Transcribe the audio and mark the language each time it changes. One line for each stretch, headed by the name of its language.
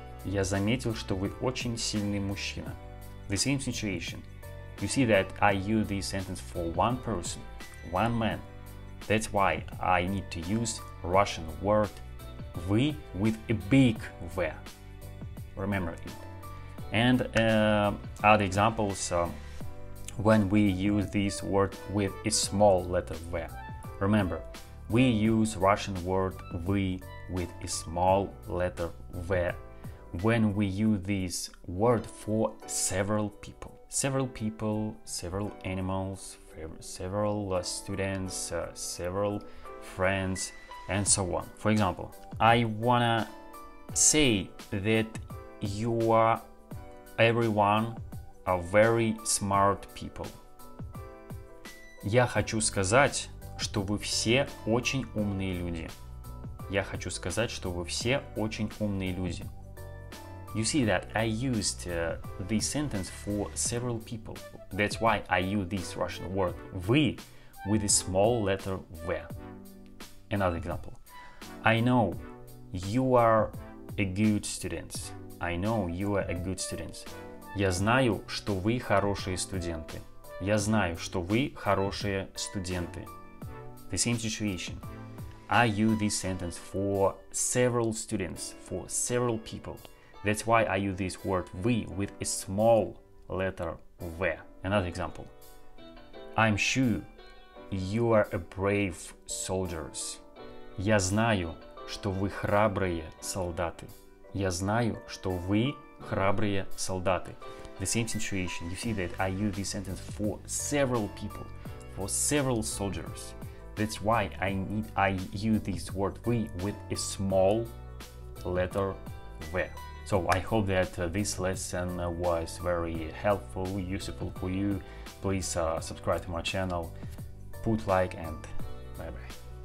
Russian: Я заметил, что вы очень сильный мужчина.
English: The same situation. You see that I use this sentence for one person, one man. That's why I need to use Russian word вы with a big V. Remember it. And other examples. When we use this word with a small letter V. Remember, we use Russian word вы with a small letter V when we use this word for several people. Several people, several animals, several students, several friends, and so on. For example, I wanna say that you are everyone are very smart people.
Russian: Я хочу сказать, что вы все очень умные люди. Я хочу сказать, что вы все очень умные люди.
English: You see that I used this sentence for several people. That's why I use this Russian word «вы» with a small letter «в». Another example. I know you are a good student. I know you are a good student.
Russian: Я знаю, что вы хорошие студенты. Я знаю, что вы хорошие студенты.
English: The same situation. I use this sentence for several students, for several people. That's why I use this word «вы» with a small letter «в». Another example. I'm sure you are a brave soldiers.
Russian: Я знаю, что вы храбрые солдаты. Я знаю, что вы храбрые солдаты.
English: The same situation. You see that I use this sentence for several people, for several soldiers. That's why I use this word «вы» with a small letter «в». So I hope that this lesson was very helpful, useful for you. Please subscribe to my channel, put like, and bye-bye.